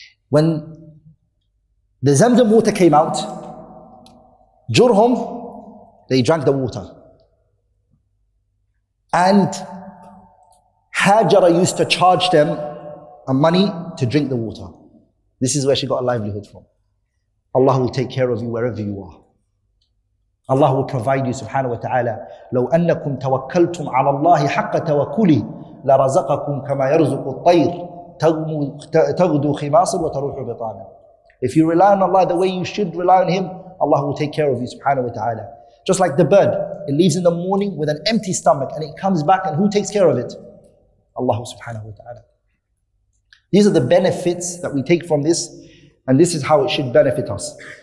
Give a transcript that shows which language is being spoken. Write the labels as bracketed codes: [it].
[en] When the Zamzam water came out, Jurhum, they drank the water. And Hajara used to charge them a money to drink the water. This is where she got a livelihood from. Allah will take care of you wherever you are. Allah will provide you, subhanahu wa ta'ala. [ar] لو أنكم توكلتم على الله حق توكلي لرزقكم كما يرزق الطير تغدو خماصا وتروح بطانا. [en] If you rely on Allah the way you should rely on Him, Allah will take care of you, subhanahu wa ta'ala. Just like the bird, it leaves in the morning with an empty stomach and it comes back, and who takes care of it? Allah subhanahu wa ta'ala. These are the benefits that we take from this, and this is how it should benefit us.